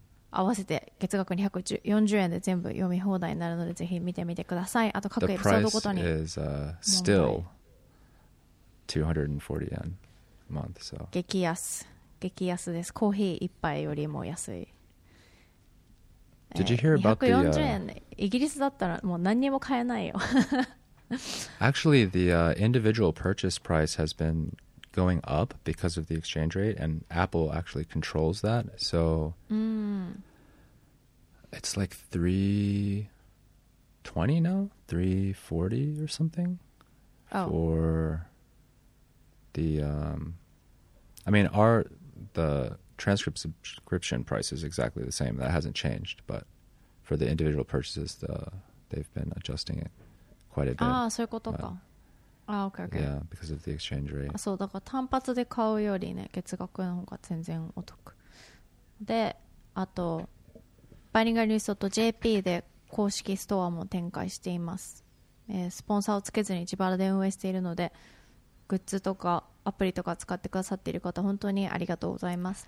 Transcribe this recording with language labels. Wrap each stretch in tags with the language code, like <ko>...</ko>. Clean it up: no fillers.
<ja>合わせて月額240円で全部読み放題になるのでぜひ見てみてください。あと各エピソードごとに</ja> <en>The price is、still 240 yen a month、so.</en> <ja>激安です。コーヒー一杯よりも安い。</ja> <en>Did you hear about the</en> <ja>240円、イギリスだったらもう何にも買えないよ。</ja> <en>Actually, the、individual purchase price has been going up because of the exchange rate, and Apple actually controls that. So、it's like $320 now, $340 or something、for the、I mean, the transcript subscription price is exactly the same. That hasn't changed, but for the individual purchases, they've been adjusting it.</en> <ja>ああそういうことか。ああ OK OK。</ja> <en>Yeah, because of the exchange rate。</en> <ja>そうだから単発で買うよりね月額の方が全然お得。で、あとバイリンガルニュースJP で公式ストアも展開しています、スポンサーをつけずに自腹で運営しているのでグッズとかアプリとか使ってくださっている方本当にありがとうございます。</ja>